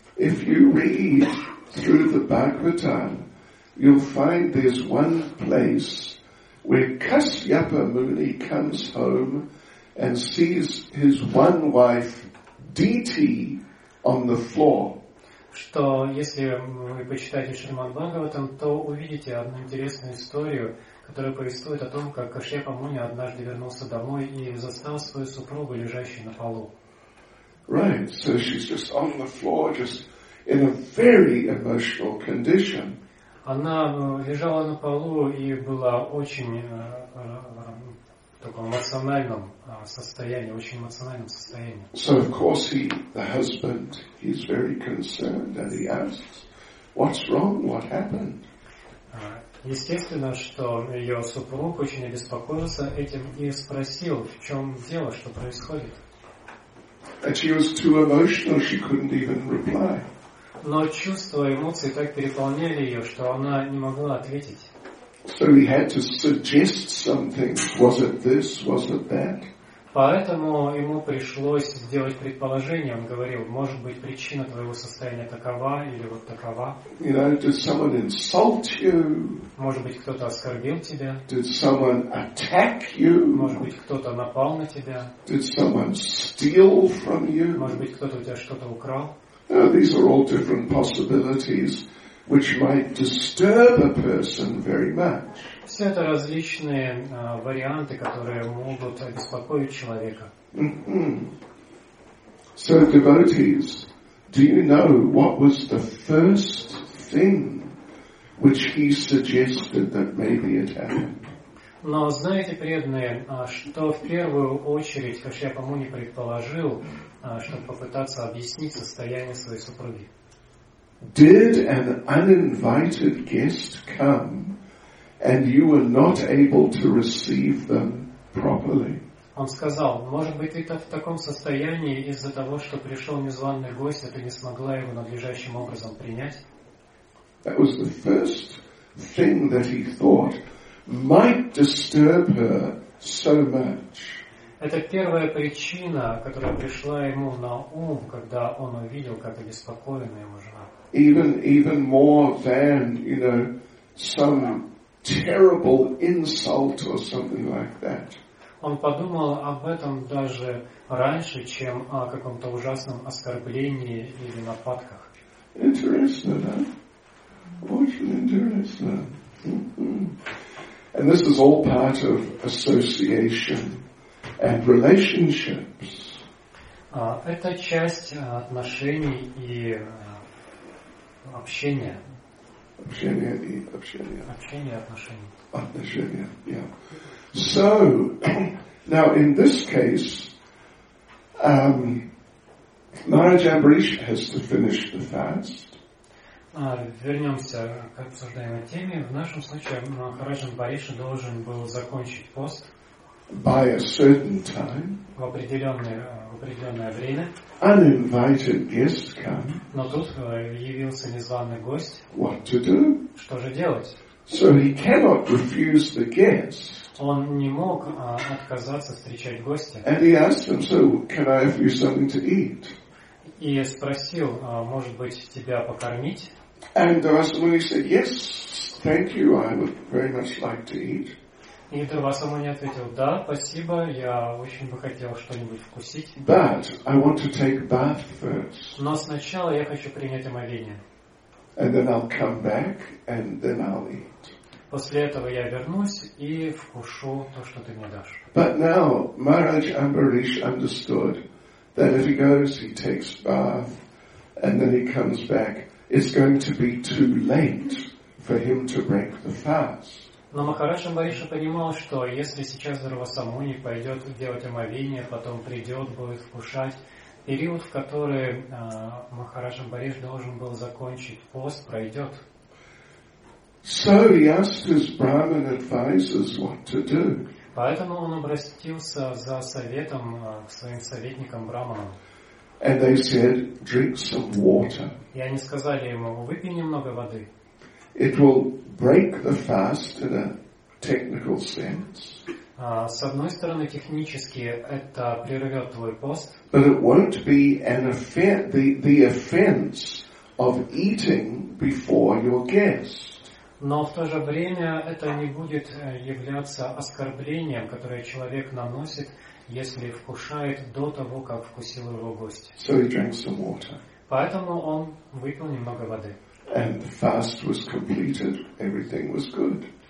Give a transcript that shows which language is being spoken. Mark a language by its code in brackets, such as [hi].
[en] If you read through the Bhagavatam, you'll find there's one place where Kasyapa Muni comes home and sees his one wife, Diti, on the floor. [ru] Что если вы почитаете Шримад-Бхагаватам, то увидите одну интересную историю, которая повествует о том, как Кашьяпа Муни однажды вернулся домой и застал свою супругу, лежащую на полу. [en] Right, so she's just on the floor, just in a very emotional condition. [ru] Она лежала на полу и была очень в таком эмоциональном состоянии, очень эмоциональном состоянии. [en] So of course he, the husband, he's very concerned and he asks, what's wrong, what happened? [ru] Естественно, что ее супруг очень обеспокоился этим и спросил, в чем дело, что происходит. [en] And she was too emotional, she couldn't even reply. [ru] Но чувства, эмоции так переполняли ее, что она не могла ответить. [en] So he had to suggest something. Was it this? Was it that? [ru] Поэтому ему пришлось сделать предположение. Он говорил, может быть, причина твоего состояния такова или вот такова. [en] You know, did someone insult you? [ru] Может быть, кто-то оскорбил тебя? [en] Did someone attack you? [ru] Может быть, кто-то напал на тебя? [en] Did someone steal from you? [ru] Может быть, кто-то у тебя что-то украл? [en] Now, these are all different possibilities which might disturb a person very much. [ru] Все это различные варианты, которые могут обеспокоить человека. Mm-hmm. [en] So, devotees, do you know what was the first thing which he suggested that maybe it happened? [ru] Но знаете, преданные, что в первую очередь Кашьяпа Муни предположил, чтобы попытаться объяснить состояние своей супруги? [en] Did an uninvited guest come and you were not able to receive them properly? [ru] Он сказал, может быть, это в таком состоянии из-за того, что пришел незваный гость, а ты не смогла его надлежащим образом принять? [en] That was the first thing that he thought might disturb her so much. [ru] Это первая причина, которая пришла ему на ум, когда он увидел, как обеспокоена его жена. [en] Even more than, you know, some terrible insult or something like that. [ru] Он подумал об этом даже раньше, чем о каком-то ужасном оскорблении или нападках. [en] Interesting, huh? [ru] Очень интересно. [en] And this is all part of association and relationships. [ru] Это часть отношений и общения. Общение и общение. Общение и отношения. Отношения, yeah. [en] So, now in this case, Maharaj Ambarish has to finish the fast. [ru] Вернемся к обсуждаемой теме. В нашем случае Махарадж Амбариш должен был закончить пост. [en] By a certain time. [ru] В определенное время. [en] Uninvited guest come. [ru] Но тут явился незваный гость. [en] What to do? [ru] Что же делать? [en] So he cannot refuse the guest. [ru] Он не мог отказаться встречать гостя. [en] And he asked him, so can I offer you something to eat? [ru] И спросил, может быть, тебя покормить? [en] And Дарасамуни said, yes, thank you, I would very much like to eat. [ru] И Дарасамуни ответил, да, спасибо, я очень бы хотел что-нибудь вкусить. [en] But I want to take bath first. [ru] Но сначала я хочу принять омовение. [en] And then I'll come back, and then I'll eat. [ru] После этого я вернусь и вкушу то, что ты мне дашь. [en] But now Maharaj Ambarish understood that if he goes, he takes bath, and then he comes back, it's going to be too late for him to break the fast. [ru] Но Махарадж Амбариш понимал, что если сейчас Дарасамуни пойдет делать омовение, потом придет, будет вкушать. Период, в который Махарадж Амбариш должен был закончить пост, пройдет. [en] So he asked his Brahman advisors what to do. [ru] Поэтому он обратился за советом к своим советникам Брахманам. [en] And they said, drink some water. [ru] И они сказали ему, выпей немного воды. [en] It will break the fast in a technical sense. [ru] С одной стороны, технически это прервет твой пост. [en] But it won't be an the offense of eating before your guest. [ru] Но в то же время это не будет являться оскорблением, которое человек наносит, если вкушает до того, как вкусил его гость. [en] So he drank some water. [ru] Поэтому он выпил немного воды. [en] And the fast was completed. Everything was good.